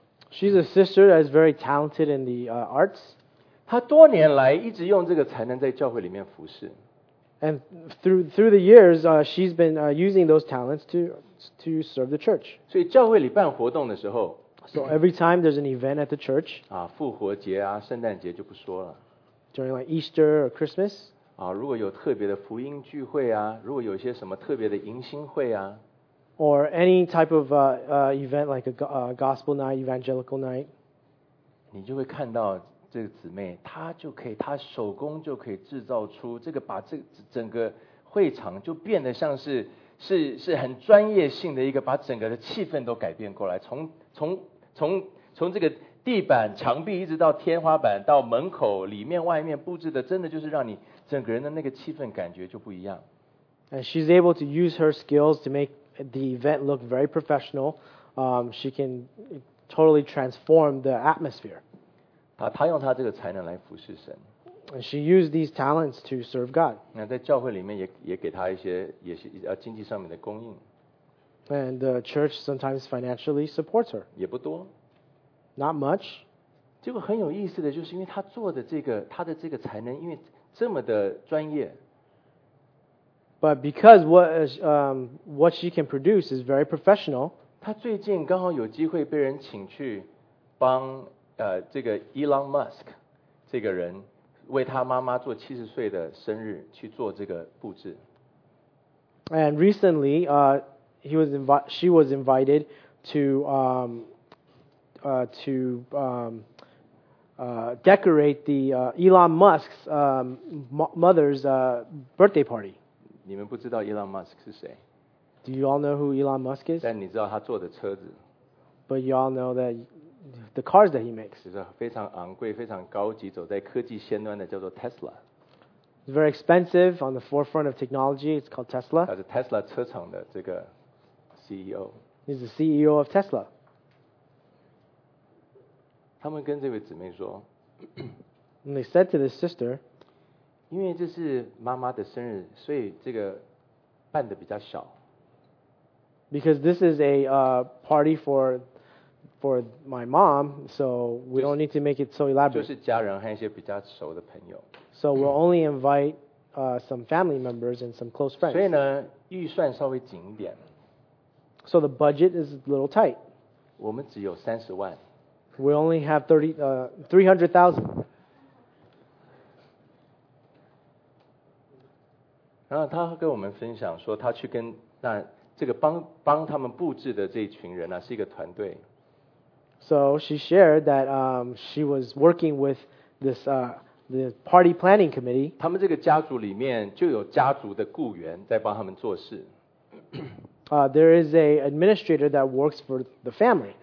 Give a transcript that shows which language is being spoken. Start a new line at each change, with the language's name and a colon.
English: She's a sister that is very talented in the arts.
Chinese: 她多年来一直用这个才能在教会里面服侍。
English: And through the years, she's been using those talents to serve the church.
Chinese: 所以教会里办活动的时候
English: ，So every time there's an event at the church.
Chinese: 啊，复活节啊，圣诞节就不说了。
English: During like Easter or Christmas.
Chinese: 啊，如果有特别的福音聚会啊，如果有些什么特别的迎新会啊。
English: Or any type of event like a gospel night, evangelical night.
Chinese: 你就会看到这个姊妹，她就可以，她手工就可以制造出这个，把这整个会场就变得像是很专业性的一个，把整个的气氛都改变过来。从这个地板、墙壁，一直到天花板，到门口里面、外面布置的，真的就是让你整个人的那个气氛感觉就不一样。
English: And she's able to use her skills to make the event look very professional. She can totally transform the atmosphere.
Chinese: 她用她这个才能来服侍神。
English: And she used these talents to serve God.
Chinese: 那在教会里面也给她一些经济上面的供应。
English: And the church sometimes financially supports her.
Chinese: 也不多。
English: Not much.
Chinese: 结果很有意思的就是因为她做的这个她的这个才能因为这么的专业。
English: But because what she can produce is very professional.
Chinese: 她最近刚好有机会被人请去帮这个 Elon Musk 这个人为他妈妈做70岁的生日去做这个布置。
English: And recently, she was invited to decorate the Elon Musk's mother's birthday party.
Chinese: 你们不知道 Elon Musk 是谁
English: ？Do you all know who Elon Musk is？
Chinese: 但你知道他坐的车子
English: ？But you all know that the cars that he makes
Chinese: 是非常昂贵、非常高级，走在科技先端的叫做 Tesla。
English: Very expensive on the forefront of technology. It's called Tesla.
Chinese: 他是 Tesla 车厂的这个 CEO。
English: He's the CEO of Tesla.
Chinese: 他们跟这位姊妹说
English: ，And they said to this sister。
Chinese: 因为这是妈妈的生日，所以这个办的比较小。
English: Because this is a party for my mom, so we don't need to make it so elaborate.
Chinese: 就是家人和一些比较熟的朋友。
English: So we'll only invite some family members and some close friends.
Chinese: 所以呢，预算稍微紧一点。
English: So the budget is a little tight.
Chinese: 我们只有三十万。
English: We only have 300,000.
Chinese: 然后他跟我们分享说，他去跟那这个帮他们布置的这一群人呢、啊，是一个团队。
English: So she shared that she was working with this the party planning committee.
Chinese: 他们这个家族里面就有家族的雇员在帮他们做事。
English: There is a administrator that works for the family.